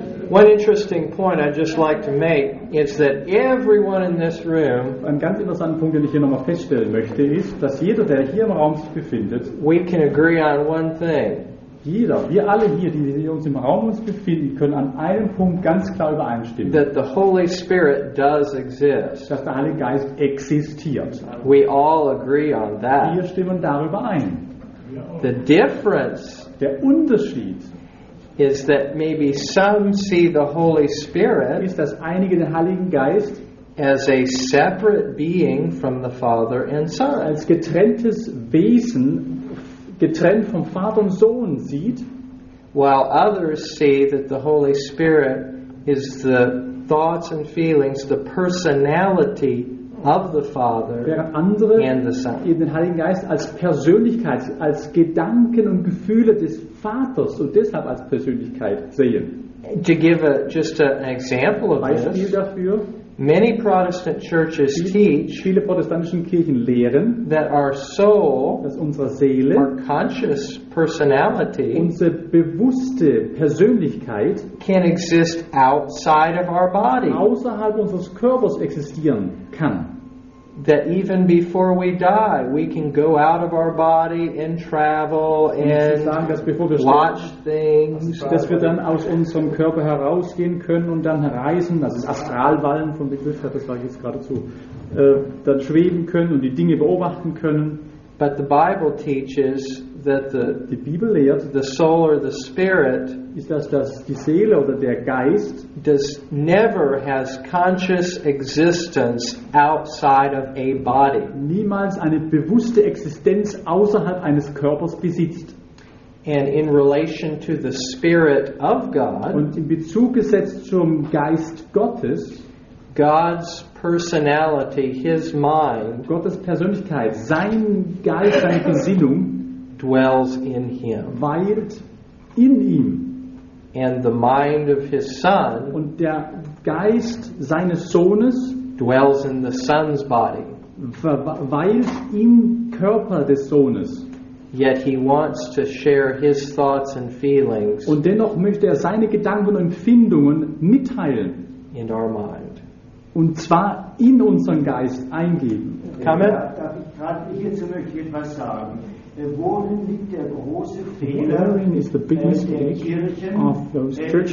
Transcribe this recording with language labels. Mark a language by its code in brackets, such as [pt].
[en] One interesting point I'd just like to make is that everyone in this room. [de] Ein ganz interessanter Punkt, den ich hier nochmal feststellen möchte, ist, dass jeder, der hier im Raum sich befindet, [en] we can agree on one thing. [de] Jeder, wir alle hier, die wir uns im Raum uns befinden, können an einem Punkt ganz klar übereinstimmen. [en] That the Holy Spirit does exist. [de] Dass der Heilige Geist existiert. [en] We all agree on that. [de] Wir stimmen darüber ein. [en] The difference, [de] der Unterschied, [en] is that maybe some see the Holy Spirit, [de] ist, dass einige den Heiligen Geist [en] as a separate being from the Father and Son. [de] Als getrenntes Wesen, getrennt vom Vater und Sohn sieht, [en] while others see that the Holy Spirit is the thoughts and feelings, the personality of the Father and the Son. [de] Während den Heiligen Geist als Persönlichkeit, als Gedanken und Gefühle des Vaters und deshalb als Persönlichkeit sehen. [en] To give an example of [de] Beispiel [en] this, [de] dafür, [en] many Protestant churches teach, [de] viele protestantischen Kirchen lehren, [en] that our soul, [de] dass unsere Seele, [en] our conscious personality, [de] unsere bewusste Persönlichkeit, [en] can exist outside of our body, [de] außerhalb unseres Körpers existieren kann. [en] That even before we die, we can go out of our body and travel and watch things. [de] Dass wir dann aus unserem Körper herausgehen können und dann reisen, das ist Astralwallen vom Begriff, das sage ich jetzt gerade zu, dann schweben können und die Dinge beobachten können. [en] But the Bible teaches that [de] die Bibel lehrt, [en] the soul or the spirit, [de] ist das, dass die Seele oder der Geist, [en] does never has conscious existence outside of a body. [de] Niemals eine bewusste Existenz außerhalb eines Körpers besitzt. [en] And in relation to the spirit of God, [de] und in Bezug gesetzt zum Geist Gottes, [en] God's personality, his mind, [de] Gottes Persönlichkeit, sein Geist, seine Gesinnung, [en] dwells in him, [de] weilt in ihm, [en] and the mind of his son, [de] und der Geist seines Sohnes, [en] dwells in the son's body, [de] weilt im Körper des Sohnes. [en] Yet he wants to share his thoughts and feelings, [de] und dennoch möchte er seine Gedanken und Empfindungen mitteilen, [en] in our mind. [de] Und zwar in unseren Geist eingeben. Amen. Darf ich gerade hierzu möchte ich etwas sagen? Worin liegt der große Fehler der Kirchen [en] of those churches